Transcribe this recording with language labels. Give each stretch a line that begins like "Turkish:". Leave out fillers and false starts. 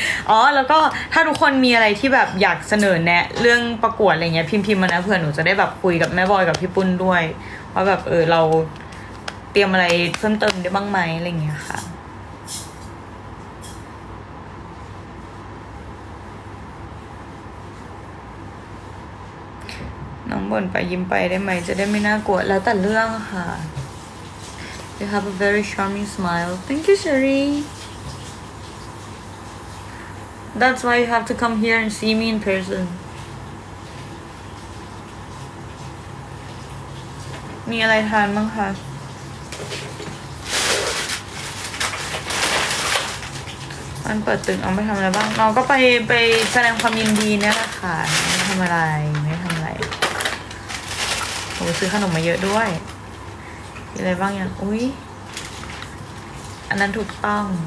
Thai: อ๋อแล้วก็ถ้าทุกคนมีอะไรที่แบบอยากเสนอแนะเรื่องประกวดอะไรเงี้ยพิมพ์มานะเพื่อนหนูจะได้แบบคุยกับแม่บอยกับพี่ปุ้นด้วยว่าแบบเราเตรียมอะไรเพิ่มเติมได้บ้างไหมอะไรเงี้ยค่ะน้องบ่นไปยิ้มไปได้ไหมจะได้ไม่น่ากลัวแล้วแต่เรื่องค่ะ
English: You have a very charming smile. Thank you, Sherry. That's why you have to come here and see me in person.
Thai: มีอะไรทานบ้างคะมันเปิดตึกเอาไปทำอะไรบ้างน้องก็ไปแสดงความยินดีนี่แหละค่ะไม่ทำอะไรไม่ทำอะไรโอ้ซื้อขนมมาเยอะด้วยมีอะไรบ้างอย่างอุ๊ยอันนั้นถูกต้อง